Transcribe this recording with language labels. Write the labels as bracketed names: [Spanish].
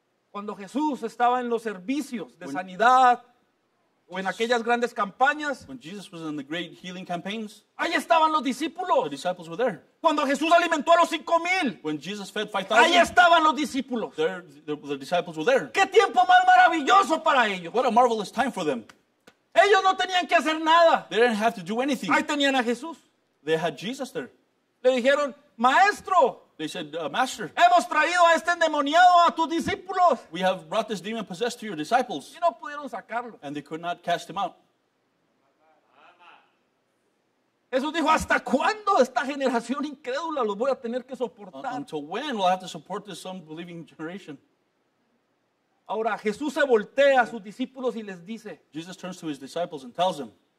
[Spanish] Cuando Jesús estaba en los servicios de sanidad o en aquellas grandes campañas, [English] when Jesus was in the great healing campaigns, [Spanish] ahí estaban los discípulos. [English] The disciples were there. [Spanish] Cuando Jesús alimentó a los 5,000, [English] when Jesus fed 5,000, [Spanish] ahí estaban los discípulos. [English] The disciples were there. [Spanish] ¿Qué tiempo más maravilloso para ellos? [English] What a marvelous time for them. [Spanish] Ellos no tenían que hacer nada. [English] They didn't have to do anything. [Spanish] Ahí tenían a Jesús. [English] They had Jesus there. [Spanish] Le dijeron, maestro. [English] They said, Master, [Spanish] hemos traído a este endemoniado a tus discípulos. [English] We have brought this demon possessed to your disciples. [Spanish] Y no pudieron sacarlo. [English] And they could not cast him out. [Spanish] Jesús dijo, ¿hasta cuándo esta generación incrédula los voy a tener que soportar? [English] Until when will I have to support this unbelieving generation? [Spanish] Ahora Jesús se voltea a sus discípulos y les dice, [English] Jesus turns to his disciples and tells them,